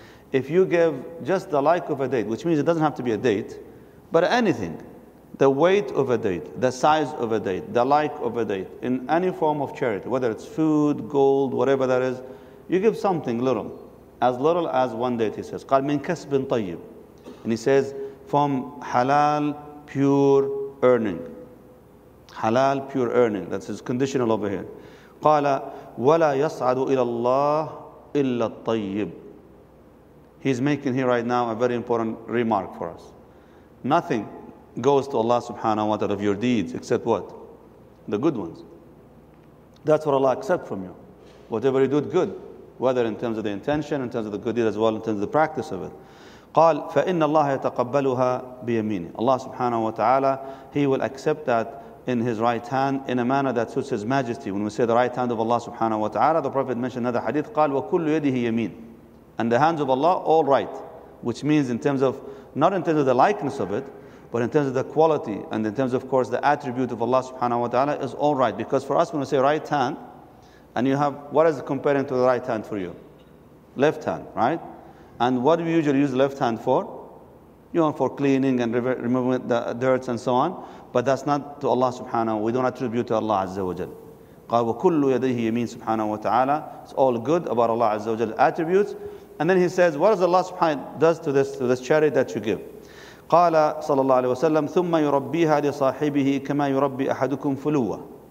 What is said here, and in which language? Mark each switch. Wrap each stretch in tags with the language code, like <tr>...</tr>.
<en>If you give just the like of a date, which means it doesn't have to be a date, but anything, the weight of a date, the size of a date, the like of a date, in any form of charity, whether it's food, gold, whatever that is, you give something little, as little as one date, he says.</en> <ar>قال من كسب طيب.</ar> <en>And he says, from halal, pure earning. Halal, pure earning. That's his conditional over here.</en> <ar>قال ولا يصعد إلى الله إلا الطيب.</ar> <en>He's making here right now a very important remark for us. Nothing goes to Allah subhanahu wa ta'ala of your deeds except what? The good ones. That's what Allah accepts from you. Whatever you do, good. Whether in terms of the intention, in terms of the good deed as well, in terms of the practice of it.</en> <ar>قال فإن الله يتقبلها بيمينه.</ar> <en>Allah subhanahu wa ta'ala, He will accept that in His right hand in a manner that suits His majesty. When we say the right hand of Allah subhanahu wa ta'ala, the Prophet mentioned another hadith,</en> <ar>قال وكل يده يمين.</ar> <en>And the hands of Allah, all right. Which means in terms of, not in terms of the likeness of it, but in terms of the quality, and in terms of course, the attribute of Allah subhanahu wa ta'ala is all right. Because for us, when we say right hand, and you have, what is it comparing to the right hand for you? Left hand, right? And what do we usually use left hand for? You know, for cleaning and removing the dirt and so on. But that's not to Allah subhanahu wa ta'ala. We don't attribute to Allah azza wa jal.</en> <ar>قال وكل يديه يمين سبحانه وتعالى.</ar> <en>It's all good about Allah Azza wa Jal attributes. And then he says, what does Allah subhanahu wa ta'ala does to this charity that you give?</en> <ar>قال صلى الله عليه وسلم ثم يربيها لصاحبه كما يربي أحدكم فلوة.</ar>